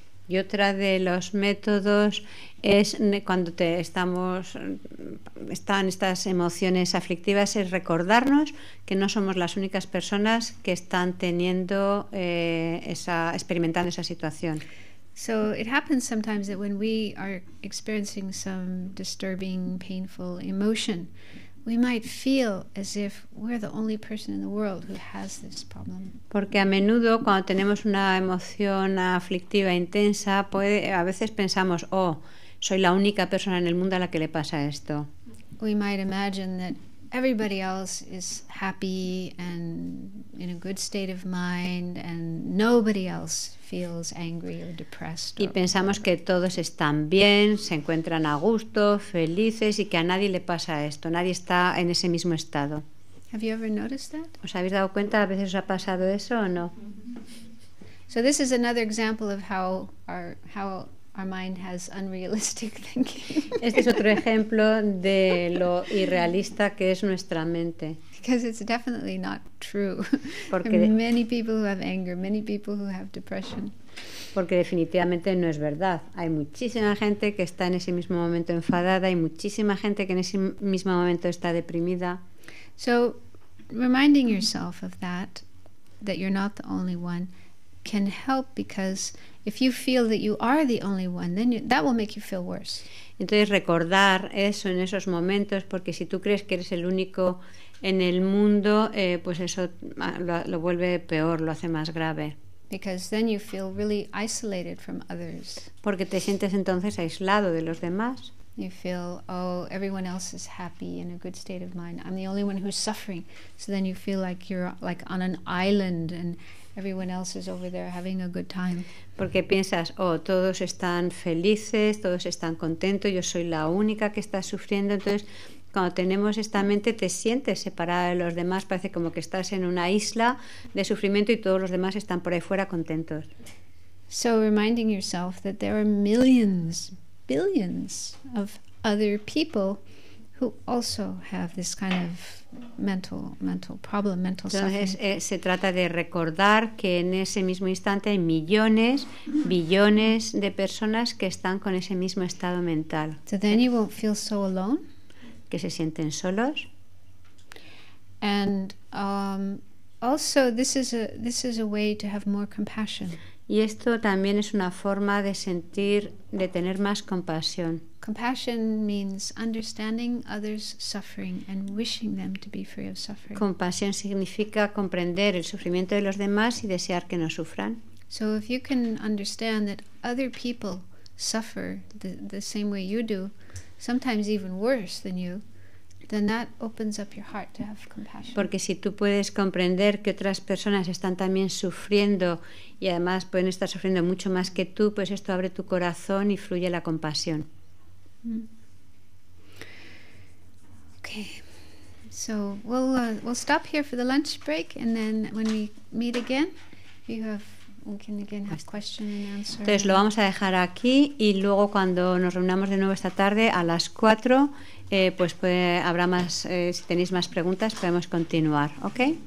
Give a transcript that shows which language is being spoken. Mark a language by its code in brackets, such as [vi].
[es] Y otra de los métodos es cuando están estas emociones aflictivas es recordarnos que no somos las únicas personas que están teniendo experimentando esa situación. [en] So it happens sometimes that when we are experiencing some disturbing, painful emotion, we might feel as if we're the only person in the world who has this problem. [es] Porque a menudo cuando tenemos una emoción aflictiva intensa, a veces pensamos, oh, soy la única persona en el mundo a la que le pasa esto. [en] We might imagine that everybody else is happy and in a good state of mind and nobody else feels angry or depressed. [es] Y pensamos que todos están bien, se encuentran a gusto, felices y que a nadie le pasa esto, nadie está en ese mismo estado. [en] Have you ever noticed that? [es] ¿Os habéis dado cuenta a veces os ha pasado eso o no? [en] So this is another example of how our mind has unrealistic thinking. [es] Este es otro ejemplo de lo irrealista que es nuestra mente. [en] Because it's definitely not true. [es] Porque [en] many people who have anger, many people who have depression. [es] Porque definitivamente no es verdad. Hay muchísima gente que está en ese mismo momento enfadada y muchísima gente que en ese mismo momento está deprimida. [en] So, reminding yourself of that, that you're not the only one, can help, because if you feel that you are the only one, then that will make you feel worse. [es] Entonces recordar eso en esos momentos, porque si tú crees que eres el único en el mundo, pues eso lo vuelve peor, lo hace más grave. [en] Because then you feel really isolated from others. [es] Porque te sientes entonces aislado de los demás. [en] You feel, oh, everyone else is happy in a good state of mind. I'm the only one who's suffering. So then you feel like you're like on an island and everyone else is over there having a good time. [es] Porque piensas, oh, todos están felices, todos están contentos, yo soy la única que está sufriendo. Entonces, cuando tenemos esta mente, te sientes separada de los demás, parece como que estás en una isla de sufrimiento y todos los demás están por ahí fuera contentos. [en] So reminding yourself that there are millions, billions of other people who also have this kind of mental problem, mental suffering. [es] Entonces se trata de recordar que en ese mismo instante hay millones, billones de personas que están con ese mismo estado mental. [en] So then you won't feel so alone. [es] Que se sienten solos. [en] And also this is a way to have more compassion. [es] Y esto también es una forma de sentir, de tener más compasión. [en] Compassion means understanding others' suffering and wishing them to be free of suffering. [es] Compasión significa comprender el sufrimiento de los demás y desear que no sufran. [en] So if you can understand that other people suffer the same way you do, sometimes even worse than you, then that opens up your heart to have compassion. [es] Porque si tú puedes comprender que otras personas están también sufriendo y además pueden estar sufriendo mucho más que tú, pues esto abre tu corazón y fluye la compasión. [en] Okay. So we'll stop here for the lunch break, and then when we meet again, we can again have question and answer. [es] Entonces lo vamos a dejar aquí y luego cuando nos reunamos de nuevo esta tarde a las 4, pues puede, habrá más, si tenéis más preguntas podemos continuar, ¿ok?